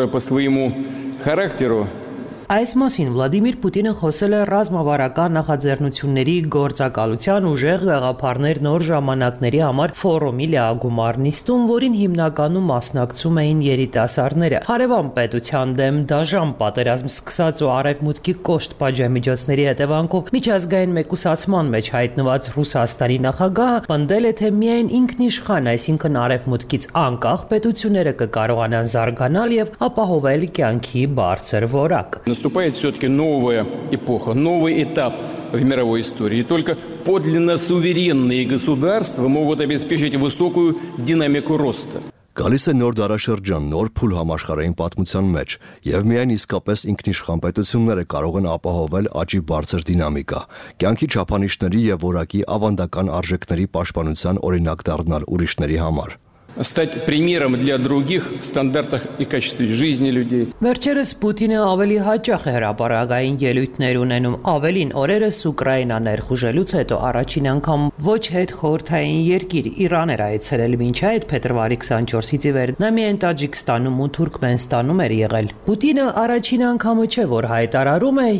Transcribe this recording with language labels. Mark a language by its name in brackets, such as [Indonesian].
[Armenian] Այս մասին Վլադիմիր Պուտինը խոսել է ռազմավարական նախաձեռնությունների գործակալության ուժեղ գաղափարներ նոր ժամանակների համար ֆորումի լեագումար նիստում, որին հիմնականում մասնակցում էին երիտասարդները։ Հարևան պետության դեմ դաժան պատերազմ սկսած ու արևմուտքի կոշտ պատժամիջոցների հետևանքով միջազգային մեկուսացման մեջ հայտնված Ռուսաստանի նախագահը պնդել է, թե միայն ինքնիշխան, այսինքն արևմուտքից անկախ պետությունները կկարողանան զարգանալ և ապահովել կյանքի բարձր որակ։ [Russian] Наступает все-таки новая эпоха, новый этап в мировой истории. И только подлинно суверенные государства могут обеспечить высокую динамику роста. [Armenian] Գալիս է նոր դարաշրջան, նոր փուլ համաշխարհային պատմության մեջ, և միայն իսկապես ինքնիշխան պետությունները կարող են ապահովել աճի բարձր դինամիկա, կյանքի չափանիշների և որակի ավանդական արժեքների պաշտպանության օրինակ դառնալ ուրիշների համար. [Russian] Стать примером для других в стандартах и качестве жизни людей. [Armenian] Վերջերս Պուտինը ավելի հաճախ է հրապարակային ելույթներ ունենում, ավելին օրերս Ուկրաինա ներխուժելուց հետո առաջին անգամ ոչ հետ խորթային երկիր Իրան էր այցելել մինչ այդ փետրվարի 24-ից ի վեր, նա միայն Տաջիկստանում ու Թուրքմենստանում էր եղել։ Պուտինը առաջին անգամը չէ, որ հայտարարում է